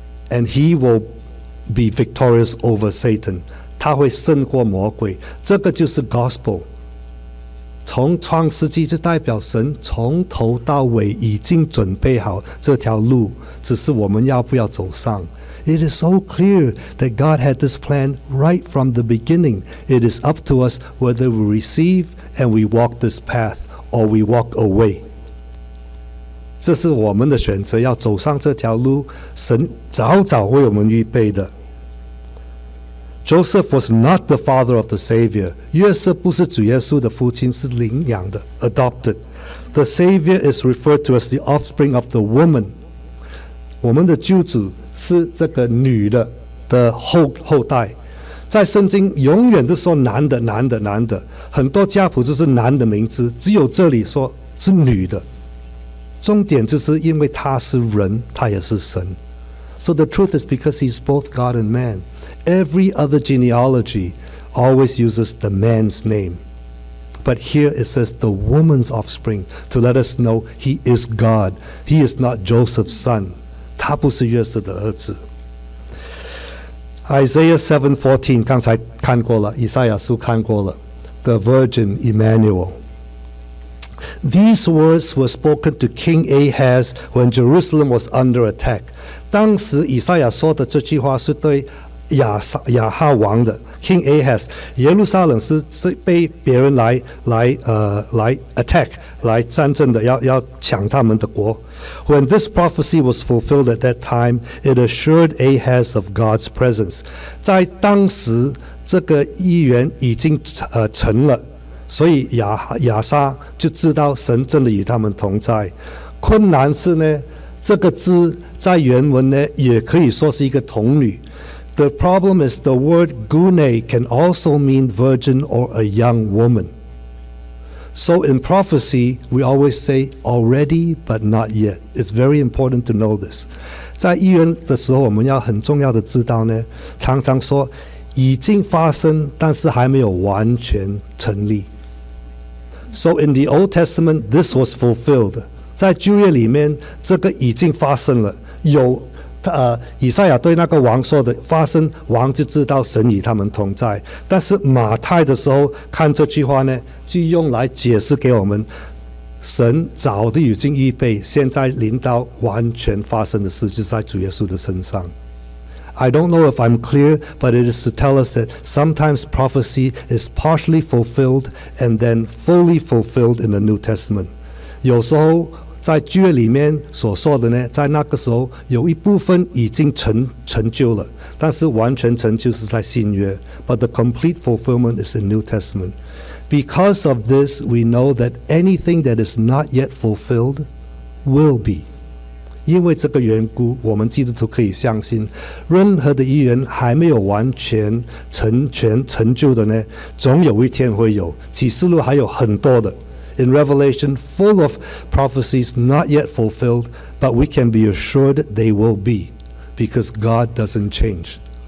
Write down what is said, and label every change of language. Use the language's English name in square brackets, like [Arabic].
[English] And he will be victorious over Satan. [Chinese] 他会胜过魔鬼。这个就是 gospel。从创世纪就代表神从头到尾已经准备好这条路，只是我们要不要走上。 [English] It is so clear that God had this plan right from the beginning. It is up to us whether we receive and we walk this path or we walk away. [Chinese] 这是我们的选择，要走上这条路，神早早为我们预备的。 [English] Joseph was not the father of the Savior. [Chinese] 约瑟不是主耶稣的父亲，是领养的 ,adopted. [English] The Savior is referred to as the offspring of the woman. [Chinese] 我们的救主是这个女的的 后代。在圣经永远都说男的男的男的，很多家谱就是男的名字，只有这里说是女的。重点就是因为他是人，他也是神。 [English] So the truth is because he's both God and man. Every other genealogy always uses the man's name. But here it says the woman's offspring to let us know he is God. He is not Joseph's son. [Chinese] 他不是约瑟的儿子。 Isaiah 7:14, 刚才看过了，以赛亚书看过了。 [English] The virgin Emmanuel. These words were spoken to King Ahaz when Jerusalem was under attack. [Chinese] 当时以赛亚说的这句话是对亚哈王的 King Ahaz. 耶路撒冷是被别人来 attack, 来战争的，要抢他们的国。 [English] When this prophecy was fulfilled at that time, it assured Ahaz of God's presence. [Chinese] 在当时这个预言已经成了。所以亚撒就知道神真的与他们同在。困难是呢，这个字在原文呢也可以说是一个童女。 [English] The problem is the word gune can also mean virgin or a young woman. So in prophecy, we always say already but not yet. It's very important to know this. [Chinese] 在预言的时候，我们要很重要的知道呢，常常说已经发生，但是还没有完全成立。 [English] So in the Old Testament, this was fulfilled. [Chinese] 在旧约里面，这个已经发生了。有，以赛亚对那个王说的发生，王就知道神与他们同在。但是马太的时候看这句话呢，就用来解释给我们，神早就已经预备，现在临到完全发生的事，就是在主耶稣的身上。 [English] I don't know if I'm clear, but it is to tell us that sometimes prophecy is partially fulfilled and then fully fulfilled in the New Testament. [Chinese] 有时候在旧约里面所说的呢，在那个时候有一部分已经成就了，但是完全成就是在新约。 [English] But the complete fulfillment is in New Testament. Because of this, we know that anything that is not yet fulfilled will be. [Chinese] 因为这个缘故，我们基督徒可以相信，任何的预言还没有完全成就的呢，总有一天会有。启示录还有很多的 [English] ，In Revelation, full of prophecies not yet fulfilled, but we can be assured they will be, because God doesn't change.